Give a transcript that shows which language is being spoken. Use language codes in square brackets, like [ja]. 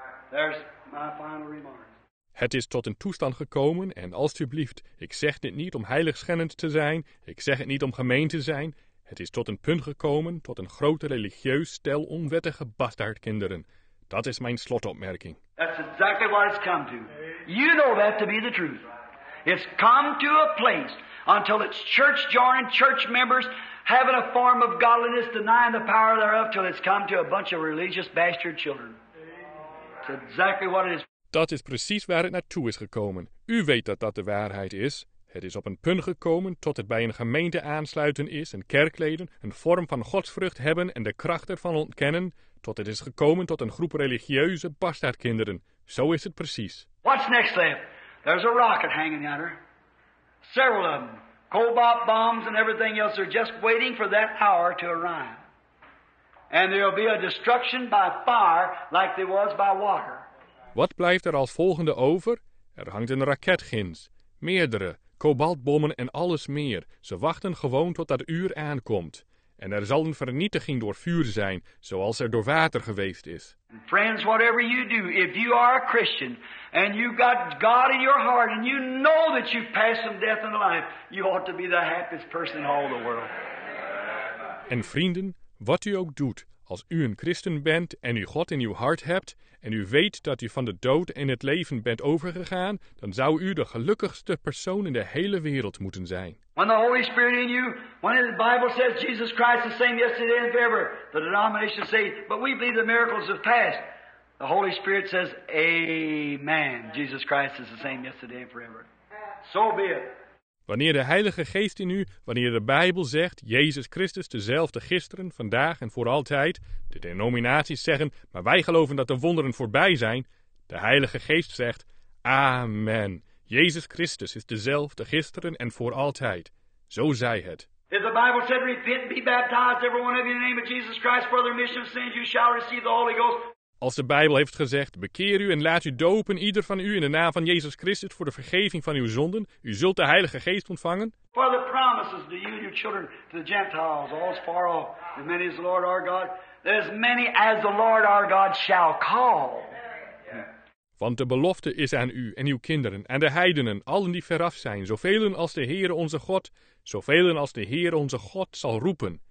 [en] There's my final remarks. [nl] Het is tot een toestand gekomen, en alstublieft, ik zeg dit niet om heiligschennend te zijn, ik zeg het niet om gemeen te zijn. Het is tot een punt gekomen, tot een grote religieus stel onwettige bastaardkinderen. Dat is mijn slotopmerking. [en] That's exactly what it's come to. You know that to be the truth. It's come to a place until it's church joining, church members having a form of godliness, denying the power thereof, till it's come to a bunch of religious bastard children. It's exactly what it is. [nl] Dat is precies waar het naartoe is gekomen. U weet dat dat de waarheid is. Het is op een punt gekomen tot het bij een gemeente aansluiten is en kerkleden een vorm van godsvrucht hebben en de kracht ervan ontkennen, tot het is gekomen tot een groep religieuze bastaardkinderen. Zo is het precies. [en] What's next then? There's a rocket hanging at her. Several of them. Cobalt bombs and everything else are just waiting for that hour to arrive. And there'll be a destruction by fire like there was by water. [nl] Wat blijft er als volgende over? Er hangt een raket ginds. Meerdere. Cobaltbommen en alles meer. Ze wachten gewoon tot dat uur aankomt. En er zal een vernietiging door vuur zijn, zoals er door water geweest is. [en] Friends, whatever you do, if you are a Christian and you got God in your heart and you know that you've passed from death into life, you ought to be the happiest person in all the world. [nl] En vrienden, wat u ook doet, als u een Christen bent en u God in uw hart hebt en u weet dat u van de dood in het leven bent overgegaan, dan zou u de gelukkigste persoon in de hele wereld moeten zijn. [en] When the Holy Spirit in you, when the Bible says Jesus Christ the same yesterday and forever, the denomination says, but we believe the miracles have passed. The Holy Spirit says, Amen. Jesus Christ is the same yesterday and forever. So be it. [nl] Wanneer de Heilige Geest in u, wanneer de Bijbel zegt, Jezus Christus dezelfde gisteren, vandaag en voor altijd, de denominaties zeggen, maar wij geloven dat de wonderen voorbij zijn, de Heilige Geest zegt, Amen. Jezus Christus is dezelfde gisteren en voor altijd. Zo zei het. [en] If the Bible said, repent, be baptized, every one of you in the name of Jesus Christ for the remission of sins, you shall receive the Holy Ghost. [nl] Als de Bijbel heeft gezegd, bekeer u en laat u dopen, ieder van u in de naam van Jezus Christus voor de vergeving van uw zonden, u zult de Heilige Geest ontvangen. [en] For the promises to you and your children to the Gentiles, all is far off, as many as the Lord our God, as many as the Lord our God shall call. [nl] Want de belofte is aan u en uw kinderen, aan de heidenen, allen die veraf zijn, zoveel als de Heere onze God, zoveel als de Heere onze God zal roepen.